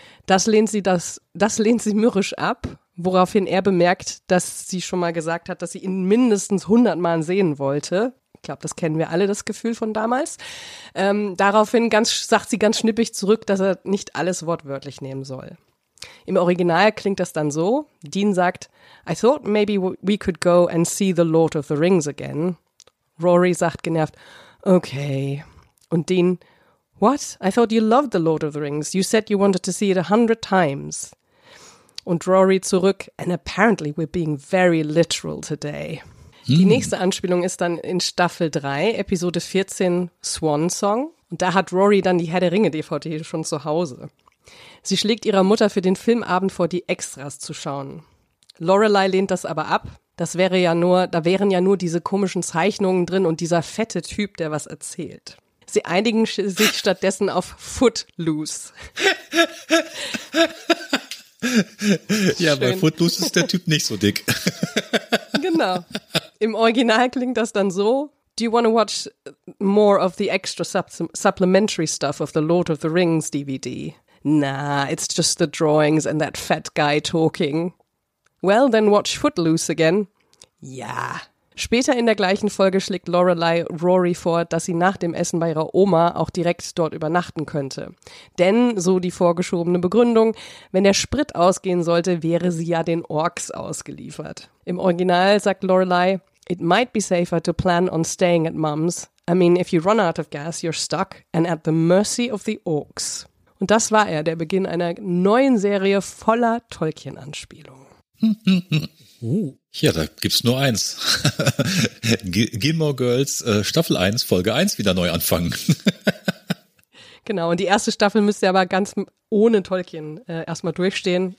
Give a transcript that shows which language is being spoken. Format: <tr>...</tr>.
<de>Das lehnt sie mürrisch ab, woraufhin er bemerkt, dass sie schon mal gesagt hat, dass sie ihn mindestens 100 Mal sehen wollte. Ich glaube, das kennen wir alle, das Gefühl von damals. Daraufhin sagt sie ganz schnippig zurück, dass er nicht alles wortwörtlich nehmen soll. Im Original klingt das dann so. Dean sagt,</de> <en>I thought maybe we could go and see the Lord of the Rings again.</en> <de>Rory sagt genervt, okay. Und Dean,</de> <en>what? I thought you loved the Lord of the Rings. You said you wanted to see it 100 times.</en> <de>Und Rory zurück,</de> <en>and apparently we're being very literal today.</en> <de>Die nächste Anspielung ist dann in Staffel 3, Episode 14, Swan Song. Und da hat Rory dann die Herr-der-Ringe-DVD schon zu Hause. Sie schlägt ihrer Mutter für den Filmabend vor, die Extras zu schauen. Lorelei lehnt das aber ab. Da wären ja nur diese komischen Zeichnungen drin und dieser fette Typ, der was erzählt. Sie einigen sich stattdessen auf Footloose. Ja, schön. Bei Footloose ist der Typ nicht so dick. Genau. Im Original klingt das dann so,</de> <en>do you want to watch more of the extra supplementary stuff of the Lord of the Rings DVD? Nah, it's just the drawings and that fat guy talking. Well, then watch Footloose again.</en> <de>Ja. Später in der gleichen Folge schlägt Lorelei Rory vor, dass sie nach dem Essen bei ihrer Oma auch direkt dort übernachten könnte. Denn, so die vorgeschobene Begründung, wenn der Sprit ausgehen sollte, wäre sie ja den Orks ausgeliefert. Im Original sagt Lorelei,</de> <en>it might be safer to plan on staying at Mum's. I mean, if you run out of gas, you're stuck and at the mercy of the Orks.</en> <de>Und das war er, der Beginn einer neuen Serie voller Tolkien-Anspielungen. Ja, da gibt's nur eins. Gilmore Girls Staffel 1, Folge 1 wieder neu anfangen. Genau, und die erste Staffel müsst ihr aber ganz ohne Tolkien erstmal durchstehen.</de>